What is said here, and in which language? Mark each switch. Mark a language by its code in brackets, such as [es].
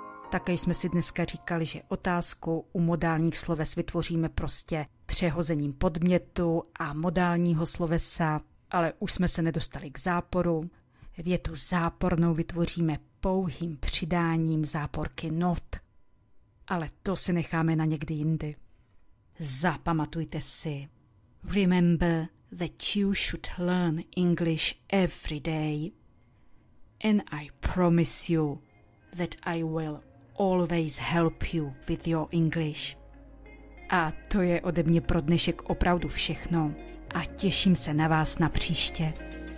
[cs] Také jsme si dneska říkali, že otázku u modálních sloves vytvoříme prostě přehozením podmětu a modálního slovesa, ale už jsme se nedostali k záporu. Větu zápornou vytvoříme pouhým přidáním záporky not. Ale to si necháme na někdy jindy. Zapamatujte si. [en] Remember that you should learn English every day. And I promise you that I will always help you with your English. [cs] A to je ode mě pro dnešek opravdu všechno. A těším se na vás na příště.